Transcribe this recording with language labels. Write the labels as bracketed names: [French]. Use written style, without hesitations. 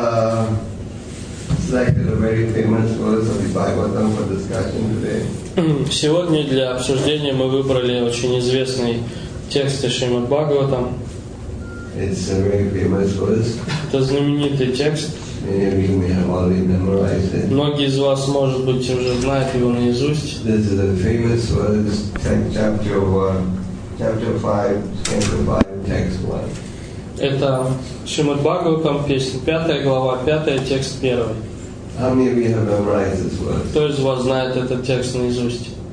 [English] very famous verse of the Bhagavatam for discussion today. [Russian] Сегодня для обсуждения мы выбрали очень известный текст из Шримад Бхагаватам. [English] It's a very famous verse. [Russian] Это знаменитый текст. [English] Many of you may have already memorized it. [Russian] Многие из вас, может быть, уже знают его наизусть. [English] This is a famous verse, chapter 5, text 1. [Russian] Это Шримад Бхагаватам, песня 5 глава, 5 текст 1. Кто из вас знает этот текст наизусть?